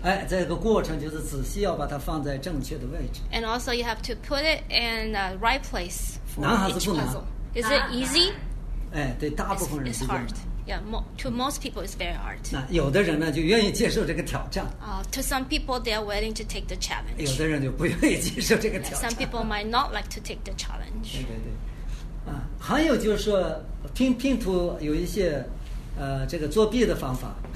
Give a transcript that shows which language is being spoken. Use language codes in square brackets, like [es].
[zh] 哎，这个过程就是仔细要把它放在正确的位置。 [en] And also, you have to put it in the right place for [zh] 男孩子不难。 [en] Is it easy? [zh] 哎，对，大部分人是。 [en] It's hard. Yeah, to most people, it's very hard. [zh] 那有的人呢，就愿意接受这个挑战。 [en] To some people, they are willing to take the challenge. [zh] 有的人就不愿意接受这个挑战。 [en] Some people might not like to take the challenge. [zh] 对对对，还有就是说，拼图有一些，这个作弊的方法。